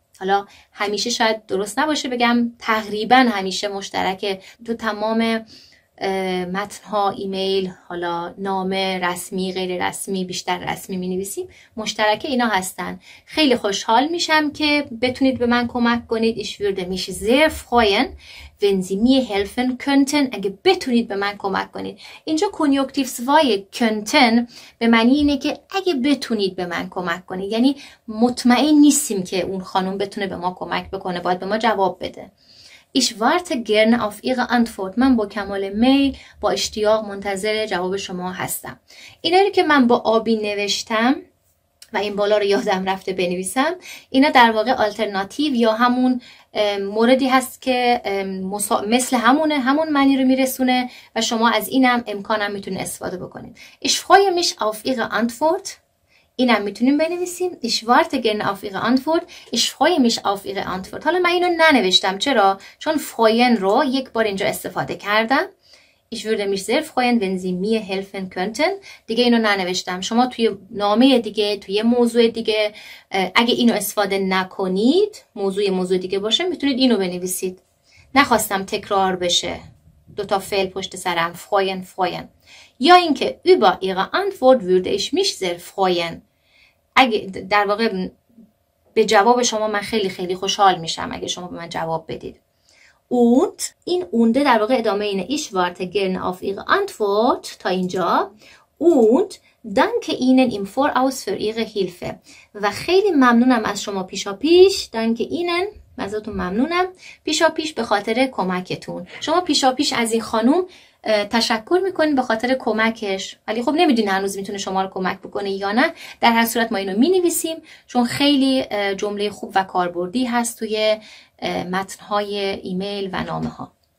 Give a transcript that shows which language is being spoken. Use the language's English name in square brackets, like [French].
[Persian] حالا همیشه شاید درست نباشه بگم تقریبا همیشه مشترک تو تمام متنها، ایمیل، حالا نامه رسمی، غیر رسمی، بیشتر رسمی می نویسیم، مشترک اینا هستن. خیلی خوشحال میشم که بتونید به من کمک کنید. [German] Ich würde mich sehr freuen, wenn Sie mir helfen könnten. [Persian] اگه بتونید به من کمک کنید. اینجا کنیوکتیوس وای könnten به معنی اینه که اگه بتونید به من کمک کنید، یعنی مطمئن نیستیم که اون خانم بتونه به ما کمک بکنه، باید به ما جواب بده. [German] Ich warte gerne auf Ihre Antwort. [Persian] من با کمال میل، با اشتیاق منتظر جواب شما هستم. اینا رو که من با آبی نوشتم و این بالا رو یادم رفته بنویسم، اینا در واقع آلترناتیو یا همون موردی هست که مثل همونه، همون معنی رو میرسونه و شما از اینم امکانم میتونید استفاده بکنید. [German] Ich freue mich auf Ihre Antwort. [Persian] اینم میتونیم بنویسیم. [German] Ich warte gerne auf Ihre Antwort. Ich freue mich auf Ihre Antwort. [Persian] حالا من اینو ننوشتم. چرا؟ چون freuen رو یک بار اینجا استفاده کردم. [German] Ich würde mich sehr freuen, wenn Sie mir helfen könnten. [Persian] دیگه اینو ننوشتم. شما توی نامه دیگه، توی موضوع دیگه، اگه اینو استفاده نکنید، موضوع دیگه باشه، میتونید اینو بنویسید. نخواستم تکرار بشه. دوتا فعل پشت سرم. [German] Freuen, freuen. [Persian] یا اینکه [German] über ihre Antwort würde ich mich sehr freuen. [Persian] اگه در واقع به جواب شما من خیلی خیلی خوشحال میشم اگه شما به من جواب بدید. [German] Und [Persian] این اونده در واقع ادامه اینه. [German] Ich warte gerne auf ihre Antwort. [Persian] تا اینجا. [German] Und danke Ihnen im Voraus für ihre Hilfe. [Persian] و خیلی ممنونم از شما پیشاپیش. [German] Danke Ihnen. [Persian] ازتون ممنونم پیشاپیش به خاطر کمکتون. شما پیشاپیش از این خانم تشکر میکنین به خاطر کمکش، ولی خب نمیدونین هنوز میتونه شما رو کمک بکنه یا نه. در هر صورت ما اینو مینویسیم چون خیلی جمله خوب و کاربردی هست توی متنهای ایمیل و نامه ها.